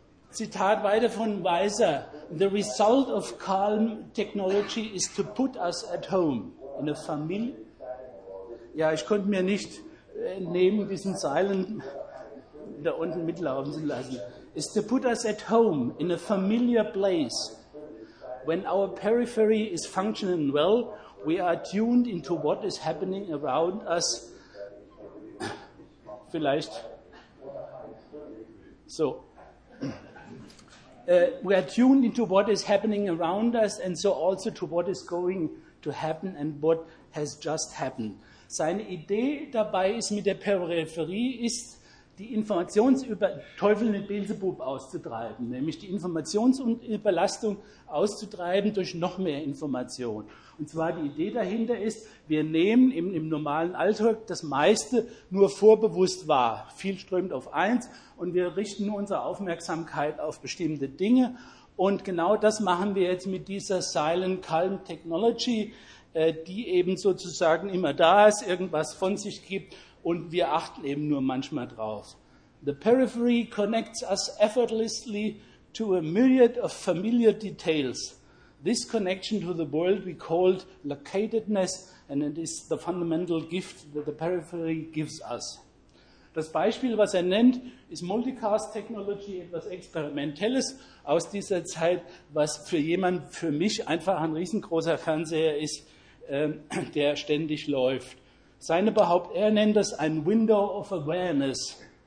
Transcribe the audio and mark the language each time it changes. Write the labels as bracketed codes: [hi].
[de] Zitat weiter von Weiser: [en] The result of calm technology is to put us at home in a family. [de] Ja, ich konnte mir nicht entnehmen, diesen Silent da unten mitlaufen zu lassen. [en] Is to put us at home in a familiar place. When our periphery is functioning well, we are tuned into what is happening around us. [de] Vielleicht. So. [en] We are tuned into what is happening around us and so also to what is going to happen and what has just happened. [de] Seine Idee dabei ist, mit der Peripherie ist, die Teufel mit Beelzebub auszutreiben, nämlich die Informationsüberlastung auszutreiben durch noch mehr Information. Und zwar die Idee dahinter ist, wir nehmen im normalen Alltag das meiste nur vorbewusst wahr, viel strömt auf eins, und wir richten nur unsere Aufmerksamkeit auf bestimmte Dinge. Und genau das machen wir jetzt mit dieser Silent Calm Technology, die eben sozusagen immer da ist, irgendwas von sich gibt, und wir achten eben nur manchmal drauf. [en] The periphery connects us effortlessly to a myriad of familiar details. This connection to the world we called locatedness, and it is the fundamental gift that the periphery gives us. [de] Das Beispiel, was er nennt, ist Multicast Technology, etwas Experimentelles aus dieser Zeit, was für mich einfach ein riesengroßer Fernseher ist, der ständig läuft. Er nennt das ein Window of Awareness.